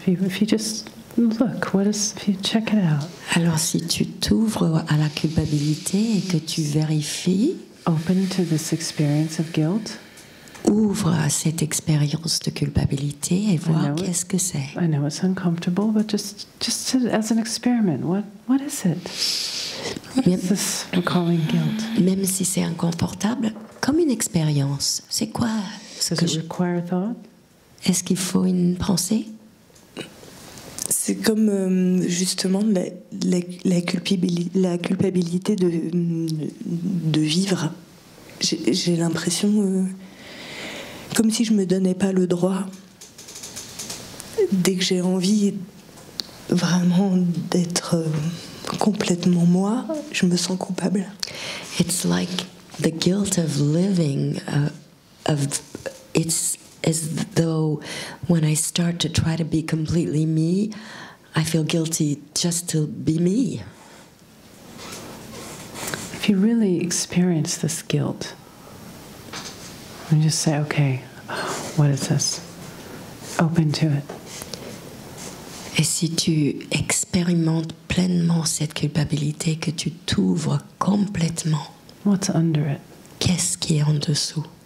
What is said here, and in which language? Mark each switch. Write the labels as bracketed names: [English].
[English] If you just look, if you check it out. [French] Alors si tu t'ouvres à la culpabilité et que tu vérifies, [English] open to this experience of guilt. [French] Ouvre à cette expérience de culpabilité et vois qu'est-ce que c'est. [English] I know it's uncomfortable, but just as an experiment, what is it? What is this we're calling guilt? [French] Même si c'est inconfortable, comme une expérience, c'est quoi? [English] Require thought? [French] Est-ce qu'il faut une pensée? C'est comme justement la culpabilité de vivre. J'ai l'impression comme si je me donnais pas le droit dès que j'ai envie vraiment d'être complètement moi, je me sens coupable. [English] It's like the guilt of living of it's as though when I start to try to be completely me, I feel guilty just to be me. If you really experience this guilt, you just say, okay, what is this? open to it. [French] Et si tu expérimentes pleinement cette culpabilité, que tu t'ouvres complètement, [English] what's under it? [French] Qu'est-ce qui est en dessous?